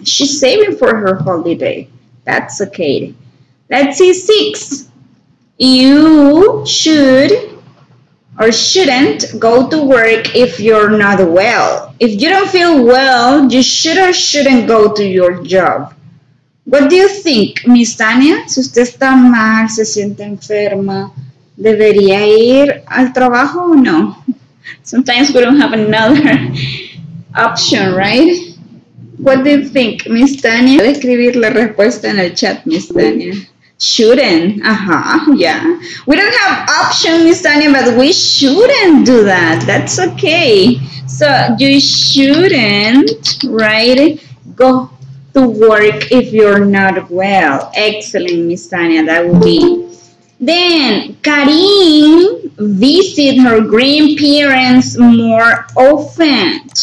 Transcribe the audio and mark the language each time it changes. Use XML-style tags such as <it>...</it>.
<en>She's saving for her holiday. That's okay. Let's see six. You should or shouldn't go to work if you're not well. If you don't feel well, you should or shouldn't go to your job. What do you think, Miss Tania?</en> <es>Si usted está mal, se siente enferma, ¿debería ir al trabajo o no?</es> <en>Sometimes we don't have another option, right? What do you think, Miss Tania?</en> <es>Voy a escribir la respuesta en el chat, Miss Tania.</es> <en>Shouldn't. Yeah. We don't have option, Miss Tania, but we shouldn't do that. That's okay. So you shouldn't, right, go to work if you're not well. Excellent, Miss Tania. That would be. Then, Karim visit her grandparents more often.</en>